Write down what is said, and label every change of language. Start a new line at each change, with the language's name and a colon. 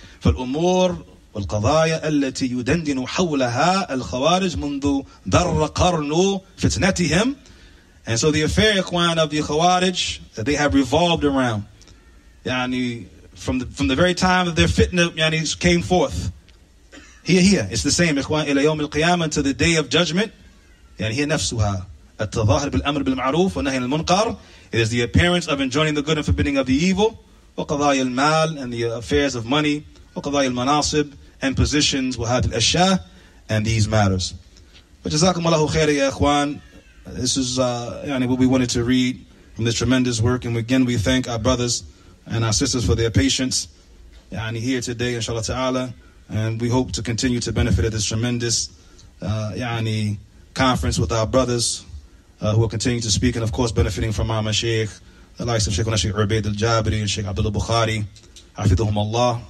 Arabic: فَالْأُمُورُ وَالْقَضَايَا الَّتِي يُدَنْدِنُ حَوْلَهَا الْخَوَارِجُ مُنْذُ دَرَّ قَرْنُ فِتْنَتِهِمْ.
English: And so the affair, Ikhwan, of the Khawarij that they have revolved around. Yani, from the very time that their fitna yani came forth, here it's the same. إخوان
Arabic: إلى يوم القيامة,
English: to the day of judgment.
Arabic: Yani here نفسها التظاهر بالأمر بالمعروف والنهي عن المنكر.
English: It is the appearance of enjoining the good and forbidding of the evil.
Arabic: وقضايا المال,
English: and the affairs of money.
Arabic: وقضايا المناصب,
English: and positions.
Arabic: وهذه الأشياء,
English: and these matters.
Arabic: فجزاكم الله خير يا إخوان.
English: This is yani what we wanted to read from this tremendous work, and again we thank our brothers and our sisters for their patience yani here today, inshallah ta'ala. And we hope to continue to benefit at this tremendous yani conference with our brothers who will continue to speak, and of course benefiting from our mashaykh, the likes of Shaykhuna Shaykh Ubaid al-Jabri and Shaykh Abdullah Bukhari. Hafidhum Allah.